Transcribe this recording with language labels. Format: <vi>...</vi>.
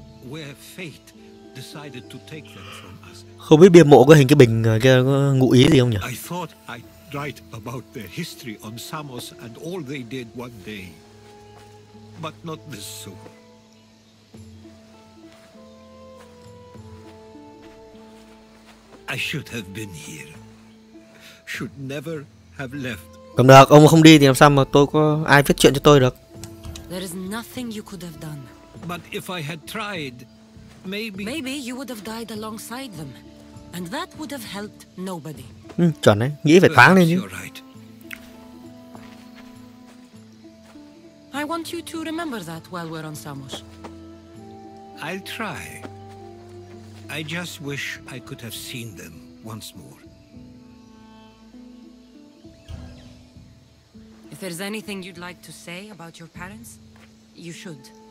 <en>Where fate decided to take them from us.</en> <vi>Không biết bia mộ có hình cái bình kia có ngụ ý gì không nhỉ?</vi> <en>I thought I'd write about their history on Samos and all they did one day. But not this soon. I should have been here. Should never have left.</en> <vi>Cầm được, ông không đi thì làm sao mà tôi có ai viết chuyện cho tôi được?</vi> <en>There is nothing you could have done. But if I had tried, maybe... Maybe you would have died alongside them. And that would have helped nobody.</en> <vi>Ừ, chuẩn đấy. Nghĩ phải thoáng lên chứ.</vi> <en>Right. I want you to remember that while we're on Samos. I'll try. I just wish I could have seen them once more. If there's anything you'd like to say about your parents, you should.</en>